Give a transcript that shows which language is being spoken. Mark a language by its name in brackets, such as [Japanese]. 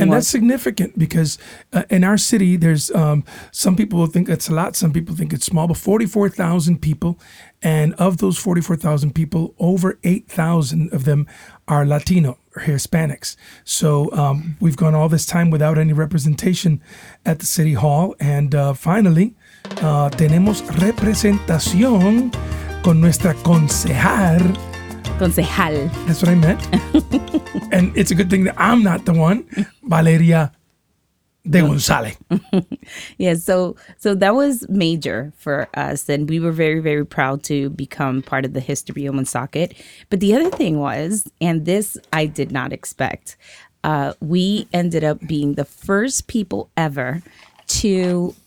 [English] was, that's significant because in our city, there's some people will think it's a lot. Some people think it's small, but 44,000 people. And of those 44,000 people, over 8,000 of them are Latino or Hispanics. So we've gone all this time without any representation at the city hall. And finally, [Spanish] tenemos representación con nuestra concejal. Concejal. [English] That's what I meant. And it's a good thing that I'm not the one, Valeria de Gonzalez. Yeah, so that was major for us. And we were very, very proud to become part of the history of Woonsocket. But the other thing was, and this I did not expect, we ended up being the first people ever to...